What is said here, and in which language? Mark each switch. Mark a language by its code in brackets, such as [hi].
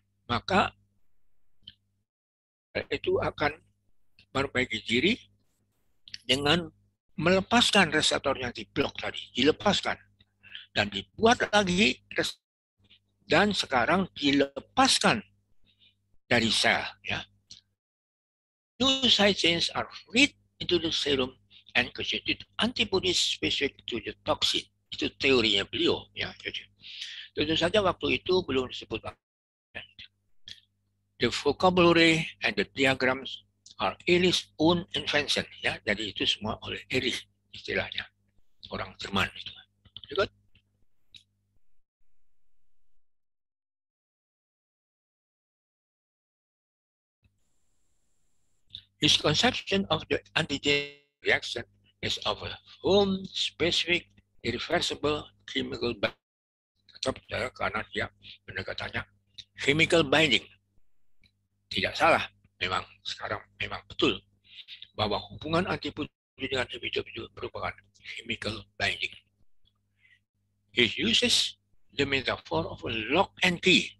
[id] Maka itu akan memperbaiki diri dengan melepaskan reseptor yang diblok tadi, dilepaskan dan dibuat lagi dan sekarang dilepaskan dari sel, ya. [en] New cytokines are freed into the serum and constitute antibodies specific to the toxin. [id] Itu teorinya beliau, ya. Jadi, tentu saja waktu itu belum disebut. [en] The vocabulary and the diagrams are Ehrlich's own invention. [id] Ya, jadi itu semua oleh Ehrlich istilahnya, orang Jerman itu. [en] Good. His conception of the antigen reaction is of a home-specific irreversible chemical binding. [id] Karena dia pendekatannya chemical binding. Tidak salah, memang sekarang memang betul bahwa hubungan antibodi dengan individu merupakan chemical binding. [en] He uses the metaphor of a lock and key.